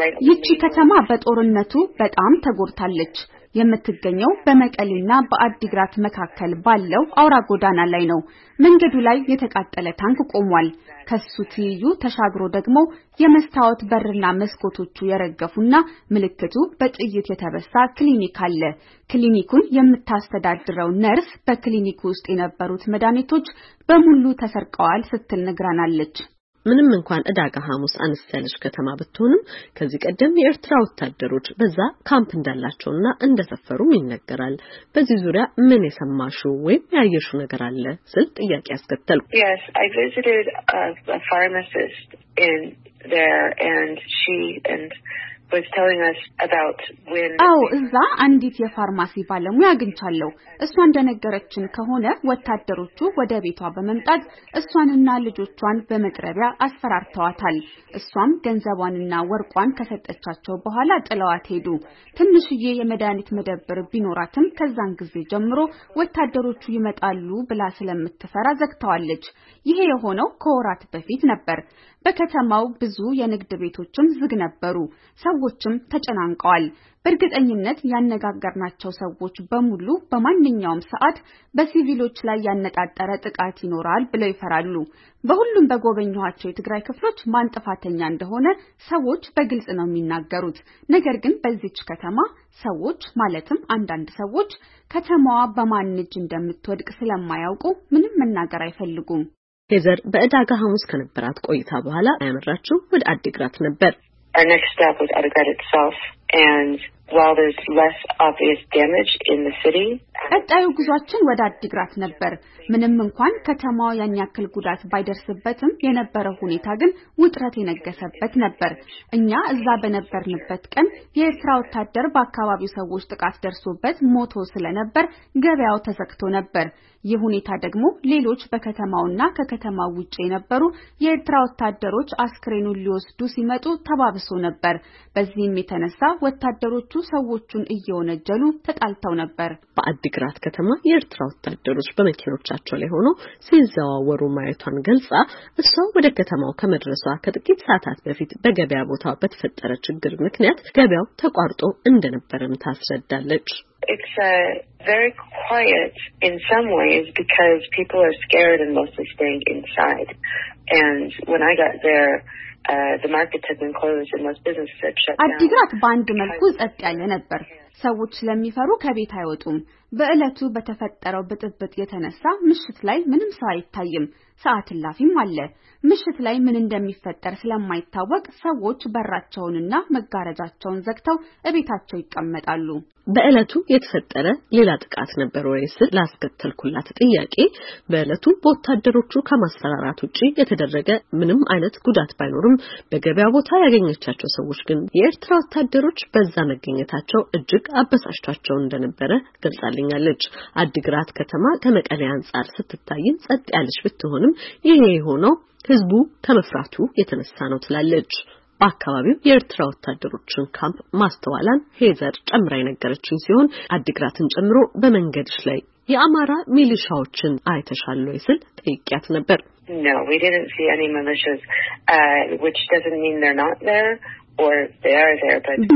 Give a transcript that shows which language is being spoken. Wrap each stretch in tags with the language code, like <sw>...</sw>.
<am>ይቺ ከተማ በጦርነቱ በጣም ተጎድታለች። የምትገኘው በመቀሌና በአድግራት መካከል ባለው አውራ ጎዳና ላይ ነው። መንገዱ ላይ የተቃጠለ ታንክ ቆሟል። ከሱ ትይዩ ተሻግሮ ደግሞ የመስታወት በርና መስኮቶቹ የረገፉና ምልክቱ በጥይት የተበሳ ክሊኒክ አለ። ክሊኒኩን የምታስተዳድረው ነርስ በክሊኒኩ ውስጥ የነበሩት መድኃኒቶች በሙሉ ተሰርቀዋል ስትል ነግራናለች። ምንም እንኳን ዕዳጋ ሐሙስ አንስተልሽ ከተማ ብትሆንም ከዚህ ቀደም የኤርትራ ወታደሮች በዛ ካምፕ እንዳላቸውና እንደሰፈሩም ይነገራል። በዚህ ዙሪያ ምን የሰማሹ ወይም ያየሹ ነገር አለ ስል ጥያቄ አስከተልኩ።</am> <en>Yes, I visited a pharmacist in there and she and was telling us about when</en> <am>አው እዛ አንዲት የፋርማሲ ባለሙያ አግኝቻለሁ። እሷ እንደነገረችን ከሆነ ወታደሮቹ ወደ ቤቷ በመምጣት እሷንና ልጆቿን በመቅረቢያ አስፈራርተዋታል። እሷም ገንዘቧንና ወርቋን ከሰጠቻቸው በኋላ ጥለዋት ሄዱ። ትንሽዬ የመድኃኒት መደብር ቢኖራትም ከዛን ጊዜ ጀምሮ ወታደሮቹ ይመጣሉ ብላ ስለምትፈራ ዘግተዋለች። ይሄ የሆነው ከወራት በፊት ነበር። በከተማው ብዙ የንግድ ቤቶችም ዝግ ነበሩ። ሰዎችም ተጨናንቀዋል። በእርግጠኝነት ያነጋገርናቸው ሰዎች በሙሉ በማንኛውም ሰዓት በሲቪሎች ላይ ያነጣጠረ ጥቃት ይኖራል ብለው ይፈራሉ። በሁሉም በጎበኘኋቸው የትግራይ ክፍሎች ማን ጥፋተኛ እንደሆነ ሰዎች በግልጽ ነው የሚናገሩት። ነገር ግን በዚች ከተማ ሰዎች ማለትም አንዳንድ ሰዎች ከተማዋ በማን እጅ እንደምትወድቅ ስለማያውቁ ምንም መናገር አይፈልጉም። ሄዘር በዕዳጋ ሐሙስ ከነበራት ቆይታ በኋላ ያመራችው ወደ አድግራት ነበር።</am> <en>Our next step was Adigrat itself, and while there's less obvious damage in the city,</en> <am>ቀጣዩ ጉዟችን ወደ አድግራት ነበር። ምንም እንኳን ከተማው ያን ያክል ጉዳት ባይደርስበትም የነበረው ሁኔታ ግን ውጥረት የነገሰበት ነበር። እኛ እዛ በነበርንበት ቀን የኤርትራ ወታደር በአካባቢው ሰዎች ጥቃት ደርሶበት ሞቶ ስለነበር ገበያው ተዘግቶ ነበር። ይህ ሁኔታ ደግሞ ሌሎች በከተማውና ከከተማው ውጪ የነበሩ የኤርትራ ወታደሮች አስክሬኑን ሊወስዱ ሲመጡ ተባብሶ ነበር። በዚህም የተነሳ ወታደሮቹ ሰዎችን እየወነጀሉ ተጣልተው ነበር። አድግራት ከተማ የኤርትራ ወታደሮች በመኪኖች ቤታቸው ላይ ሆኖ ሲዘዋወሩ ማየቷን ገልጻ እሷ ወደ ከተማው ከመድረሷ ከጥቂት ሰዓታት በፊት በገበያ ቦታው በተፈጠረ ችግር ምክንያት ገበያው ተቋርጦ እንደነበረም ታስረዳለች።</am> <en>It's very quiet in some ways because people are scared and mostly staying inside. And when I got there, the market had been closed and most businesses had shut down.</en> <am>አዲግራት ባንድ መልኩ ጸጥ ያለ ነበር። ሰዎች ለሚፈሩ ከቤት አይወጡም። በእለቱ በተፈጠረው በጥብጥ የተነሳ ምሽት ላይ ምንም ሰው አይታይም። ሰዓት ላፊም አለ። ምሽት ላይ ምን እንደሚፈጠር ስለማይታወቅ ሰዎች በራቸውንና መጋረጃቸውን ዘግተው እቤታቸው ይቀመጣሉ። በእለቱ የተፈጠረ ሌላ ጥቃት ነበር ወይስ ላስከተልኩላት ጥያቄ በእለቱ ቦታደሮቹ ከመሰራራት ውጪ የተደረገ ምንም አይነት ጉዳት ባይኖርም በገበያ ቦታ ያገኘቻቸው ሰዎች ግን የኤርትራ ወታደሮች በዛ መገኘታቸው እጅግ አበሳጭቷቸው እንደነበረ ገልጻልኛለች። አዲግራት ከተማ ከመቀሌ አንጻር ስትታይ ጸጥ ያለች ብትሆንም ይሄ ሆኖ ህዝቡ ተመፍራቱ የተነሳ ነው ትላለች። አካባቢው የኤርትራ ወታደሮችን ካምፕ ማስተዋላን ሄዘር ጨምራ የነገረችን ሲሆን አዲግራትን ጨምሮ በመንገድሽ ላይ የአማራ ሚሊሻዎችን አይተሻል ወይስ ጠይቂያት ነበር።</am> <en>No, we didn't see any militias, which doesn't mean they're not there or they are there, but</en>